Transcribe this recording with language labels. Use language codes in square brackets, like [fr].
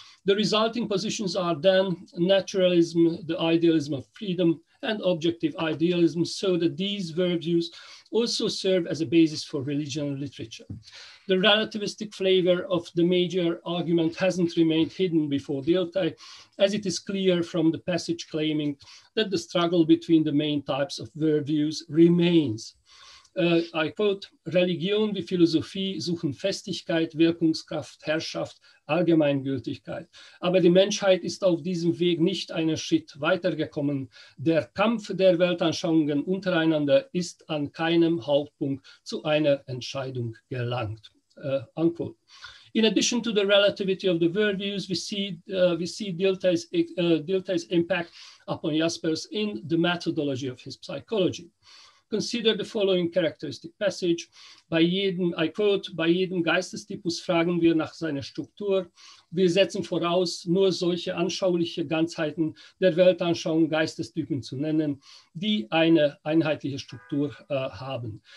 [en] The resulting positions are then naturalism, the idealism of freedom, and objective idealism, so that these worldviews also serve as a basis for religion and literature. The relativistic flavor of the major argument hasn't remained hidden before Dilthey, as it is clear from the passage claiming that the struggle between the main types of worldviews remains. I quote, [de] Religion wie Philosophie suchen Festigkeit, Wirkungskraft, Herrschaft, Allgemeingültigkeit. Aber die Menschheit ist auf diesem Weg nicht einen Schritt weitergekommen. Der Kampf der Weltanschauungen untereinander ist an keinem Hauptpunkt zu einer Entscheidung gelangt. [en] Unquote. In addition to the relativity of the worldviews, we see Diltay's impact upon Jaspers in the methodology of his psychology. Consider the following characteristic passage. [de] Bei jedem Geistestypus fragen wir nach seiner Struktur. Wir setzen voraus, nur solche anschauliche Ganzheiten der Weltanschauung Geistestypen zu nennen, die eine einheitliche Struktur haben.